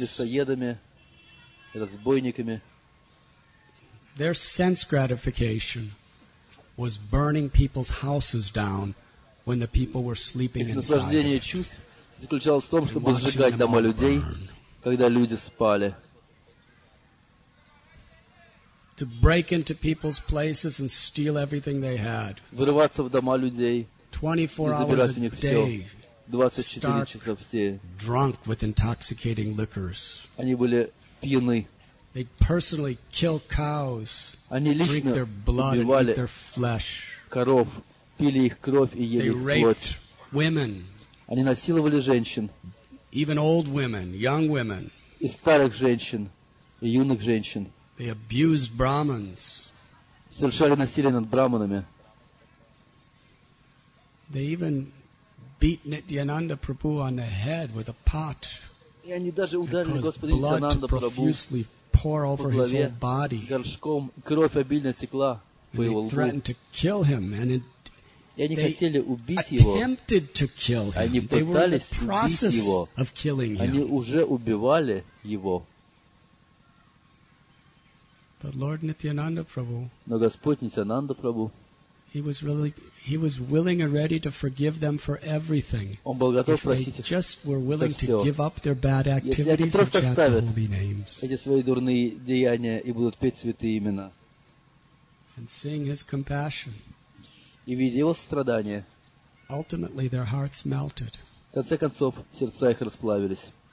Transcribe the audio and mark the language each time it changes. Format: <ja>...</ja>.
<ru>лесоедами, разбойниками.</ru> <en>Their sense gratification was burning people's houses down when the people were sleeping inside.</en> <ru>Заключалось в том, чтобы сжигать дома людей, когда люди спали.</ru> <en>To break into people's places and steal everything they had.</en> <ru>Вырываться в дома людей.</ru> <en>24 hours a day.</en> <ru>24 часа в сутки.</ru> <en>Drunk with intoxicating liquors.</en> <ru>Они были пьяны.</ru> <en>They personally kill cows.</en> <ru>Они лично</ru> <en>drink their blood and eat their flesh.</en> <ru>Коров, пили их кровь и ели</ru> <en>they</en> <ru>их плоть.</ru> <en>Women.</en> <ru>Они насиловали женщин.</ru> <en>Even old women, young women.</en> <ru>И старых женщин, и юных женщин.</ru> <en>They abused Brahmins.</en> <ru>Совершали насилие над браманами.</ru> <en>They even beat Nityananda Prabhu on the head with a pot.</en> <ru>И они даже ударили Господа Нитянанда Прабху по голове горшком. Кровь обильно текла по его лбу.</ru> <en>They threatened to kill him and it</en> <ru>И они</ru> <en>they</en> <ru>хотели убить его.</ru> <en>Attempted to kill him.</en> <ru>Они пытались</ru> <en>they were in the process</en> <ru>убить его.</ru> <en>Of killing him.</en> <ru>Они уже убивали его.</ru> <en>But Lord Nityananda Prabhu,</en> <ru>Но Господь Нитянанда Прабху</ru> <en>he was willing and ready to forgive them for everything.</en> <ru>Он был готов</ru> <en>if they</en> <ru>простить</ru> <en>just were willing to give up their bad activities</en> <ru>Если они просто оставят</ru> <en>and chant the holy names.</en> <ru>Эти свои дурные деяния и будут петь святые имена.</ru> <en>And sing his compassion.</en> <ru>И видя его страдания,</ru> <en>Ultimately, their hearts melted.</en> <ru>В конце концов, сердца их расплавились.</ru>